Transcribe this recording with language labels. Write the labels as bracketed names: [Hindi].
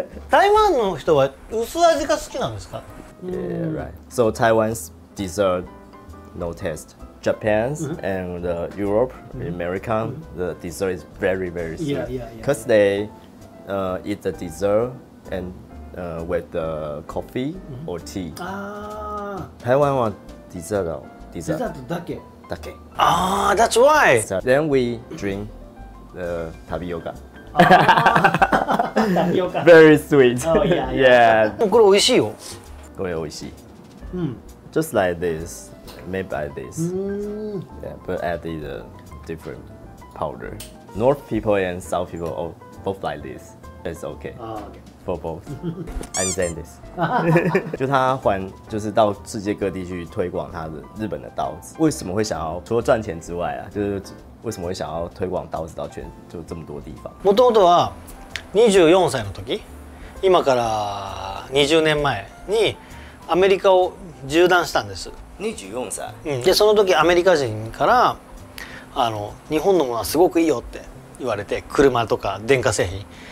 [Japanese] 台湾の人は薄味が好きなんですか？ [English] Yeah, right. So Taiwan's dessert, no taste. Japan's and the Europe, American, the dessert is very, very sweet. Yeah, yeah, yeah. Because they eat the dessert and with the coffee or tea. Ah. Taiwan want dessert, though. [Japanese] Dessert だけ。 [English] Ah, that's why. So then we drink the tapioca. Tapioca. Very sweet. Oh yeah. Yeah. [Japanese] これ美味しいよ。これ美味しい。 [English] Just like this, made by this. Yeah, but added a different powder. North people and South people all both like this. It's okay. For both. Understand this. [Chinese] 就他还就是到世界各地去推广他的日本的刀子。为什么会想要除了赚钱之外啊，就是为什么会想要推广刀子到全就这么多地方？ [Japanese] 元々は24歳の時、今から20年前にアメリカを縦断したんです。 24歳。でその時アメリカ人からあの日本のものはすごくいいよって言われて、車とか電化製品。